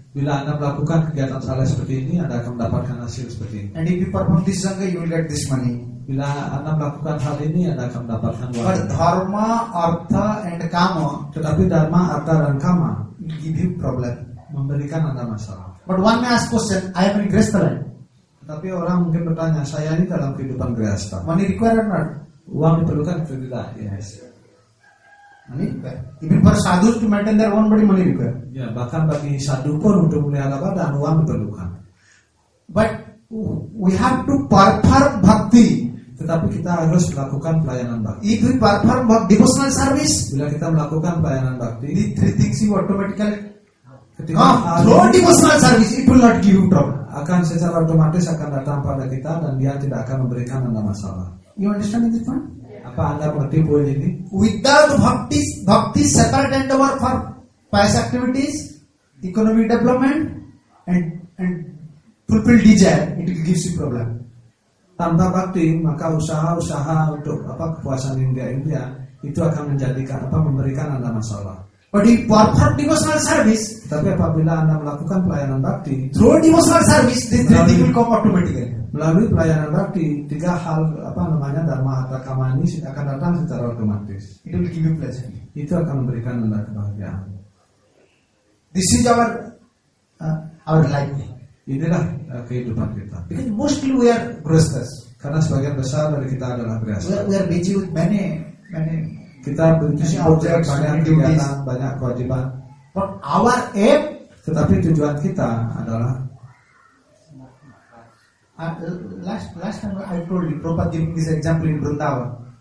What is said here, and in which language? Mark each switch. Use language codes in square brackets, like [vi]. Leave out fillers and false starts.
[id] Bila anda melakukan kegiatan saleh seperti ini, anda akan mendapatkan hasil seperti ini. [en] And if you perform this sangha, you will get this money. [id] Bila anda melakukan hal ini, anda akan mendapatkan uang. [en] But dharma, artha, and kama. [id] Tetapi dharma, artha, dan kama. [en] Give you problem. [id] Memberikan anda masalah. [en] But one may ask question, I am a grihastha. [id] Tetapi orang mungkin bertanya, saya ini dalam kehidupan grihastha. [en] Money required or not? [id] Uang diperlukan atau tidak? [en] Yes. Money required. Even for sadhu to maintain their own body, money required. [id] Ya, bahkan bagi sadhu pun untuk melihara badan, uang diperlukan. [en] But we have to perform bhakti. [id] Tetapi kita harus melakukan pelayanan bhakti. [en] If we perform devotional service, [id] bila kita melakukan pelayanan bhakti, [en] the three things you automatically throw devotional service, it will not give you trouble. [id] Akan secara otomatis akan datang pada kita dan dia tidak akan memberikan anda masalah. [en] You understand this point? [id] Apa anda mengerti poin ini? [en] Without bhakti, bhakti separate endeavor for pious activities, economic development, and fulfill desire, it gives you problem. [id] Tanpa bhakti, maka usaha-usaha untuk apa kepuasan indria-indria itu akan menjadikan apa memberikan anda masalah. [en] But if perform devotional service, [id] tapi apabila anda melakukan pelayanan bhakti, [en] through devotional service, the three things will come automatically. [id] Melalui pelayanan bhakti, tiga hal apa namanya dharma atau kama ini akan datang secara otomatis. [en] It will give you pleasure. [id] Itu akan memberikan anda kebahagiaan. [en] This is our life. [id] Inilah kehidupan kita. [en] Because mostly we are grihasthas. [id] Karena sebagian besar dari kita adalah grihasthas. [en] We are busy with many. [id] Kita berusaha banyak kegiatan, banyak kewajiban. [en] But our aim. [id] Tetapi tujuan kita adalah. [en] Last time I told you, Prabhupada giving this example in Vrindavan.